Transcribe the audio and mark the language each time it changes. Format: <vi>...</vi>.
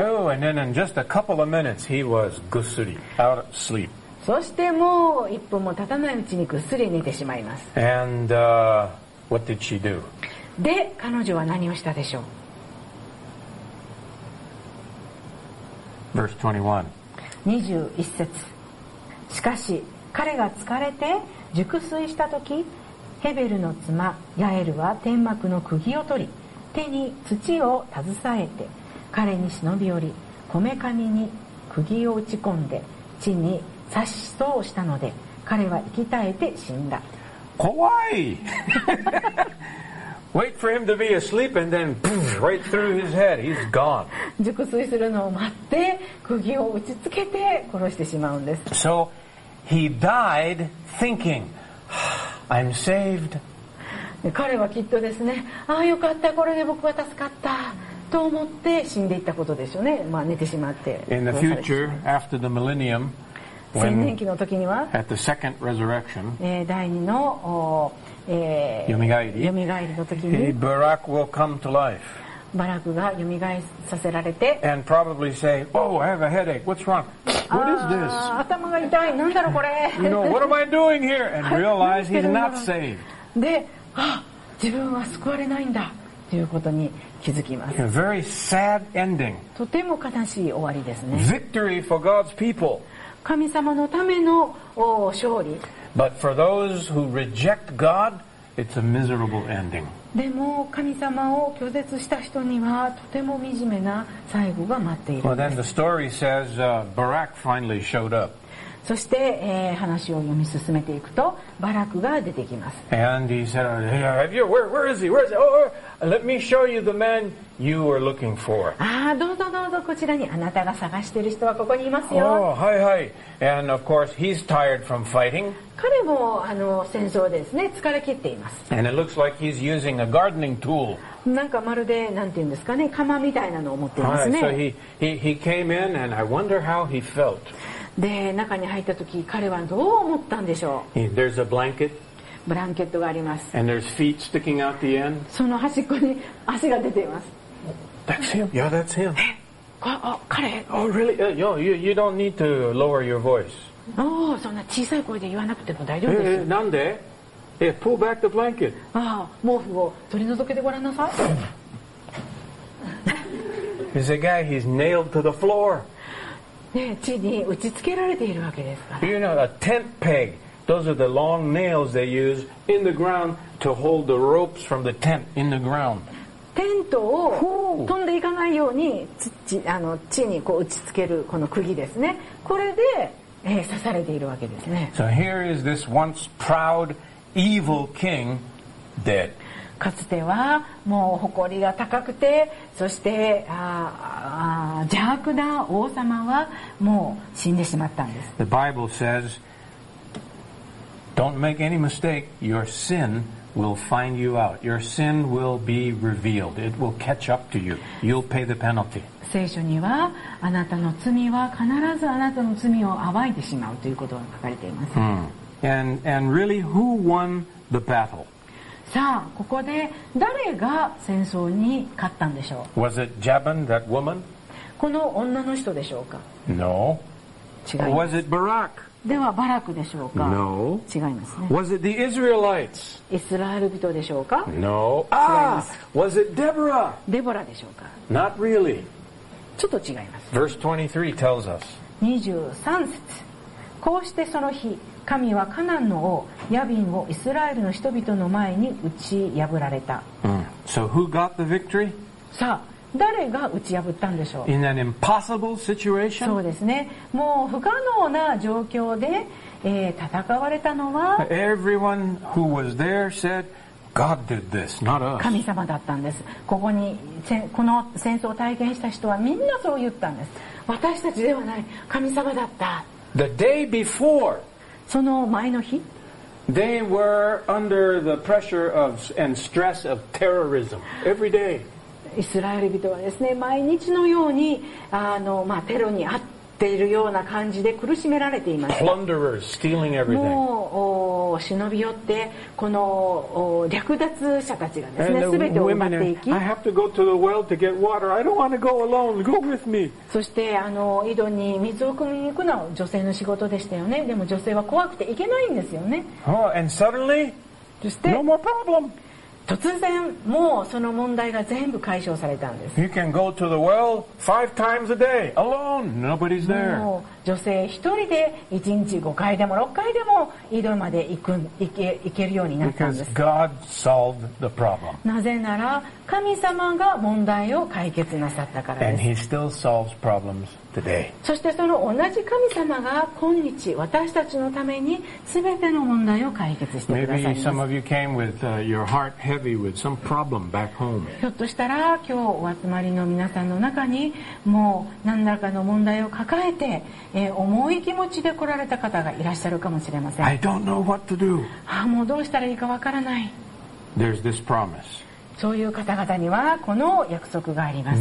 <en>Oh, and then in just a couple of minutes he was</en> <ja>ぐっすり</ja> <en>out of sleep.</en> <ja>そしてもう一分も経たないうちにぐっすり寝てしまいます。</ja> <en>And, what did she do?</en> <ja>で彼女は何をしたでしょう。</ja> <en>Verse 21.</en> <ja>21節、しかし彼が疲れて熟睡した時、ヘベルの妻ヤエルは天幕の釘を取り、手に土を携えて彼に忍び寄り、こめかみに釘を打ち込んで地に刺しそうしたので、彼は息絶えて死んだ。怖い。</ja> <en>Wait for him to be asleep and then poof, right through his head, he's gone.</en> <ja>熟睡するのを待って釘を打ちつけて殺してしまうんです。</ja> <en>So he died thinking, I'm saved.</en> <ja>彼はきっとですね、ああよかった、これで僕は助かったと思って死んでいったことでしょうね。まあ寝てしまって。</ja> <en>In the future, after the millennium,</en> <ja>千年期の時には</ja> <en>at the second resurrection,</en> <ja>第二の、蘇りの時に</ja> <en>Barak will come to life.</en> <ja>バラクが蘇させられて</ja> <en>and probably say, Oh, I have a headache. What's wrong? What is this?</en> <ja>頭が痛い、なんだろうこれ。</ja> <en>You know, what am I doing here? And realize he's not saved.</en> <ja>で、あ、自分は救われないんだということに気づきます。</ja> <en>A very sad ending.</en> <ja>とても悲しい終わりですね。</ja> <en>Victory for God's people.</en> <ja>神様のための勝利。</ja> <en>But for those who reject God, it's a miserable ending.</en> <ja>でも神様を拒絶した人にはとても惨めな最後が待っているんです。</ja> <en>Well, then the story says, Barak finally showed up.</en> <ja>そして、話を読み進めていくとバラクが出てきます。</ja> <en>And he said, where is he? Oh, let me show you the man you were looking for.</en> <ja>どうぞどうぞ、こちらにあなたが探している人はここにいますよ。</ja> <en>Oh, hi, hi. And of course, he's tired from fighting.</en> <ja>彼も戦争ですね、疲れ切っています。</ja> <en>And it looks like he's using a gardening tool.</en> <ja>なんかまるで、なんていうんですかね、釜みたいなのを持っていますね。</ja> <en>Hi, so he came in and I wonder how he felt.</en> <ja>で、中に入った時、彼はどう思ったんでしょう。</ja> <en>There's a blanket.</en> <ja>ブランケットがあります。</ja> <en>And there's feet sticking out the end.</en> <ja>その端っこに足が出ています。</ja> <en>That's him. Yeah, that's him.</en> <ja>え、あ、彼。</ja> <en>Oh, really? You don't need to lower your voice.</en> <ja>Oh, そんな小さい声で言わなくても大丈夫です。なんで？</ja> <en>Hey, pull back the blanket.</en> <ja>ああ、毛布を取り除けてごらんなさい。</ja> <en>There's a guy, he's nailed to the floor.</en> <ja>地に打ち付けられているわけですから。</ja> <en>You know, a tent peg. Those are the long nails they use in the ground to hold the ropes from the tent in the ground.</en> <ja>テントを飛んでいかないように地にこう打ち付けるこの釘ですね。これで、刺されているわけですね。</ja> <en>So here is this once proud, evil king dead.</en> <ja>かつてはもう誇りが高くて、そして邪悪な王様はもう死んでしまったんです。</ja> <en>The Bible says, "Don't make any mistake. Your sin will find you out. Your sin will be revealed. It will catch up to you. You'll pay the penalty."</en> <ja>聖書にはあなたの罪は必ずあなたの罪を暴いてしまうということが書かれています。</ja> <en>And really, who won the battle?</en> <ja>さあ、ここで誰が戦争に勝ったんでしょう。</ja> <en>Was it Jabin, that woman?</en> <ja>この女の人でしょうか。</ja> <en>No.</en> <ja>違います。</ja> <en>Was it Barak?</en> <ja>ではバラクでしょうか。</ja> <en>No.</en> <ja>違いますね。</ja> <en>Was it the Israelites?</en> <ja>イスラエル人でしょうか。</ja> <en>No.</en> <ja>違います。</ja> <en>Was it Deborah?</en> <ja>デボラでしょうか。</ja> <en>Not really.</en> <ja>ちょっと違います。</ja> <en>Verse 23 tells us.</en> <ja>23節。こうしてその日、神はカナンの王ヤビンをイスラエルの人々の前に打ち破られた。</ja> <en>So who got the victory?</en> <ja>さあ、誰が打ち破ったんでしょう。</ja> <en>In an impossible situation?</en> <ja>そうですね。もう不可能な状況で、戦われたのは、</ja> <en>Everyone who was there said, God did this, not us.</en> <ja>神様だったんです。ここに、この戦争を体験した人はみんなそう言ったんです。私たちではない、神様だった。</ja> <en>The day before,</en> <ja>その前の日、</ja> <en>They were under the pressure of and stress of terrorism every day.</en> <ja>イスラエル人はですね、毎日のようにテロに遭っているような感じで苦しめられていました。</ja> <en>Plunderers stealing everything.</en> <ja>もう忍び寄ってこの略奪者たちがですね、全てを奪っていき。</ja> <en>I have to go to the well to get water. I don't want to go alone. Go with me.</en> <ja>そして井戸に水を汲みに行くのは女性の仕事でしたよね。でも女性は怖くて行けないんですよね。</ja> <en>And suddenly,</en> <ja>そして</ja> <en>no more problem.</en> <ja>突然もうその問題が全部解消されたんです。</ja> <en>You can go to the well five times a day alone. Nobody's there.</en> <ja>女性一人で1日5回でも6回でも井戸まで行けるようになったんです。</ja> <en>Because God solved the problem.</en> <ja>なぜなら神様が問題を解決なさったからです。</ja> <en>And he still solves problems today.</en> <ja>そしてその同じ神様が今日私たちのために全ての問題を解決してくださいます。</ja> <en>Maybe some of you came with your heart heavy with some problem back home.</en> <ja>ひょっとしたら今日お集まりの皆さんの中にもう何らかの問題を抱えて重い気持ちで来られた方がいらっしゃるかもしれません。</ja> <en>I don't know what to do.</en> <ja>もうどうしたらいいかわからない。</ja> <en>There's this promise.</en> <ja>そういう方々にはこの約束があります。</ja>